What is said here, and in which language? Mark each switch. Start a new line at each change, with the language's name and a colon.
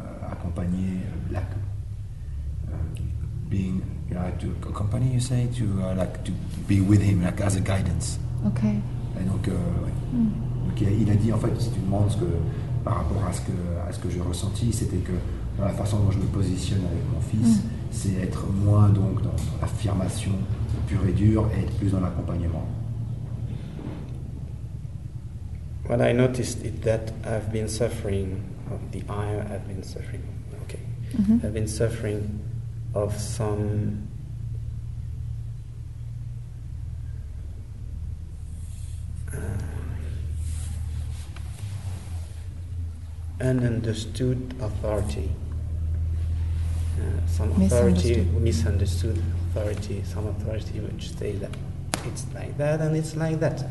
English: accompagner, like being, you know, to accompany, you say, to like to be with him, like as a guidance. Okay.
French: Et donc, donc il a dit, en fait, si tu demandes ce que, par rapport à ce que j'ai ressenti, c'était que dans la façon dont je me positionne avec mon fils, c'est être moins donc dans, dans l'affirmation pure et dure et être plus dans l'accompagnement.
English: What I noticed is that I've been suffering of the ire, I've been suffering, okay, I've been suffering of some ununderstood authority, some authority, misunderstood authority, some authority which says that it's like that and it's like that.